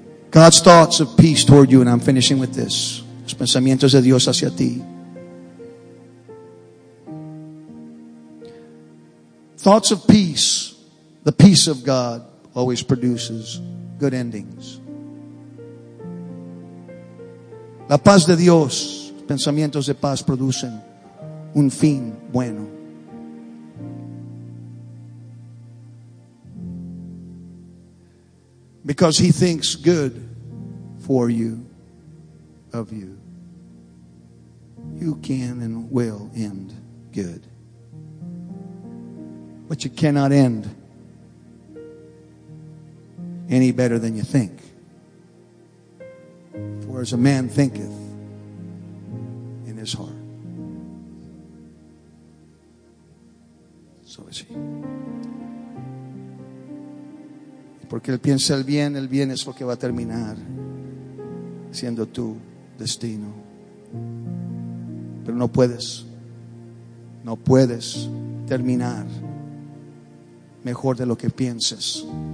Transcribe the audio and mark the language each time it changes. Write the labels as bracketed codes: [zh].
[en] God's thoughts of peace toward you, and I'm finishing with this. [es] Los pensamientos de Dios hacia ti. [en] Thoughts of peace. The peace of God always produces good endings. [es] La paz de Dios, pensamientos de paz producen un fin bueno. [en] Because He thinks good for you, of you. You can and will end good. But you cannot end any better than you think. For as a man thinketh in his heart, so is he. [es] Porque él piensa el bien es lo que va a terminar siendo tu destino. Pero no puedes No puedes terminar mejor de lo que piensas.